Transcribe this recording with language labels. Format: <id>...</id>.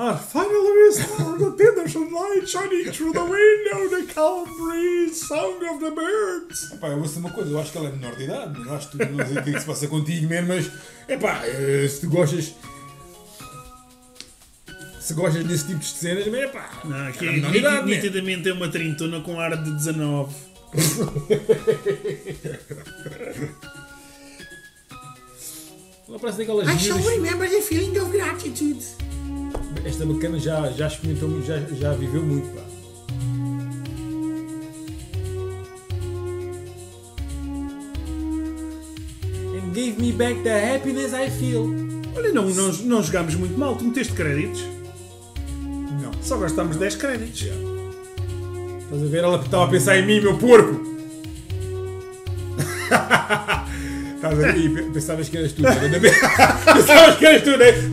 <en>Our final resort, the tenders of light shining through the window, the calm breeze, song of the birds.</en> <pt>Epá, eu ouço uma coisa, eu acho que ela é menor de idade, eu acho que tu não sei o que é que se passa contigo, man, mas. Epá, se tu gostas. Se gostas desse tipo de cenas, mas epá, não, aqui é pá. Não, idade, nitidamente é uma trintona com ar de 19. Não aparece daquelas</pt> <en>I shall remember the feeling of gratitude.</en> <pt>Esta bacana já experimentou muito, já viveu muito, pá.</pt> <en>And gave me back the happiness I feel.</en> <pt>Olha, não jogámos muito mal. Tu meteste créditos? Não. Só gastámos 10 créditos. Já. Estás a ver? Ela estava a pensar em mim, meu porco. E pensavas que eras tu, ainda bem. Pensavas que eras tu, né?</pt>